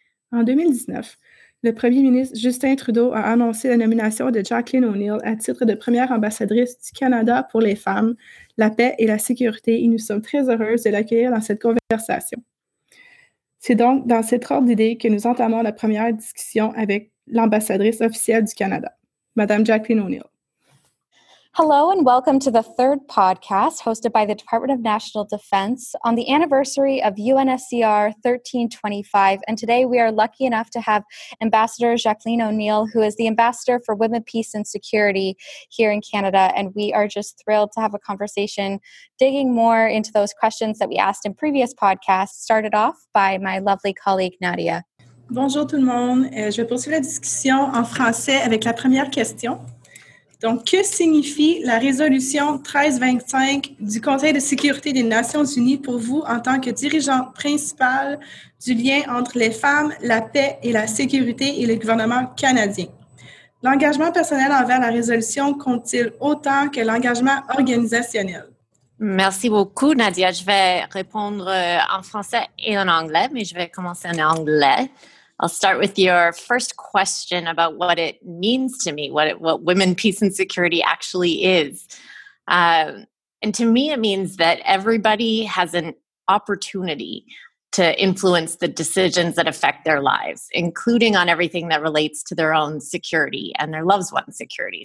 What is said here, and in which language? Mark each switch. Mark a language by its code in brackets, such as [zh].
[fr] En 2019, le premier ministre Justin Trudeau a annoncé la nomination de Jacqueline O'Neill à titre de première ambassadrice du Canada pour les femmes, la paix et la sécurité, et nous sommes très heureuses de l'accueillir dans cette conversation. C'est donc dans cet ordre d'idées que nous entamons la première discussion avec l'ambassadrice officielle du Canada, Madame Jacqueline O'Neill. [en] Hello and welcome to the third podcast hosted by the Department of National Defense on the anniversary of UNSCR 1325. And today we are lucky enough to have Ambassador Jacqueline O'Neill, who is the Ambassador for Women, Peace and Security here in Canada. And we are just thrilled to have a conversation digging more into those questions that we asked in previous podcasts, started off by my lovely colleague, Nadia. [fr] Bonjour tout le monde. Je vais poursuivre la discussion en français avec la première question. Donc, que signifie la résolution 1325 du Conseil de sécurité des Nations unies pour vous en tant que dirigeante principale du lien entre les femmes, la paix et la sécurité et le gouvernement canadien? L'engagement personnel envers la résolution compte-t-il autant que l'engagement organisationnel? Merci beaucoup, Nadia. Je vais répondre en français et en anglais, mais je vais commencer en anglais. [en] I'll start with your first question about what it means to me, what women, peace, and security actually is. And to me, it means that everybody has an opportunity to influence the decisions that affect their lives, including on everything that relates to their own security and their loved ones' security.